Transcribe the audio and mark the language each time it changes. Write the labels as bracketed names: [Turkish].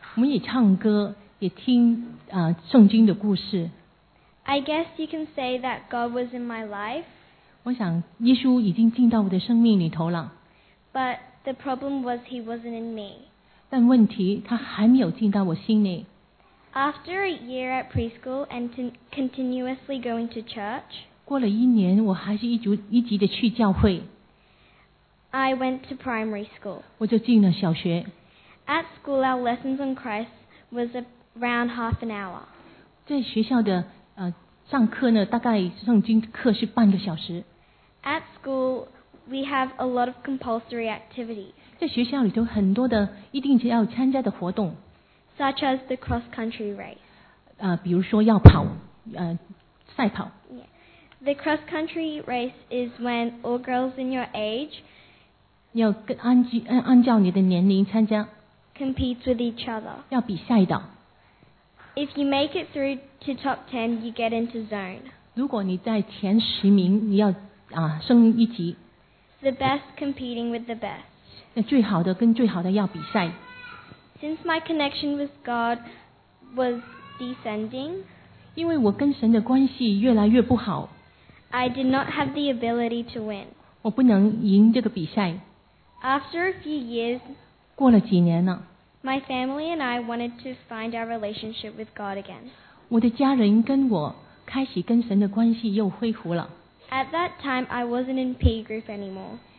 [Chinese] 我们也唱歌，也听圣经的故事。 [English] I guess you can say that God was in my life. [Chinese] 我想耶稣已经进到我的生命里头了。 [English] But the problem was he wasn't in me. [Chinese] 但问题他还没有进到我心里。 [English] After a year at preschool and continuously going to church. [Chinese] 过了一年，我还是一直的去教会。 [English] I went to primary school. [Chinese] 我就进了小学。 [English] At school, our lessons on Christ was around half an hour. [Chinese] 在学校的上课呢，大概圣经课是半个小时。 [English] At school, we have a lot of compulsory activities. [Chinese] 在学校里头很多的一定要参加的活动。 [English] Such as the cross-country race. [Chinese] 比如说要跑赛跑。 Yeah. [English] The cross-country race is when all girls in your age [Chinese] 要跟按照你的年龄参加。 [English] competes with each other. [Chinese] 要比下一档。 [English] If you make it through to top 10, you get into zone. [Chinese] 如果你在前十名，你要啊升一级。 [English] The best competing with the best. [Chinese] 那最好的跟最好的要比赛。 [English] Since my connection with God was descending, [Chinese] 因为我跟神的关系越来越不好。 [English] I did not have the ability to win. [Chinese] 我不能赢这个比赛。 [English] After a few years, [Chinese] 过了几年了。 [English] My family and I wanted to find our relationship with God again. [Chinese] 我的家人跟我开始跟神的关系又恢复了。 [English] At that time, I wasn't in P group anymore.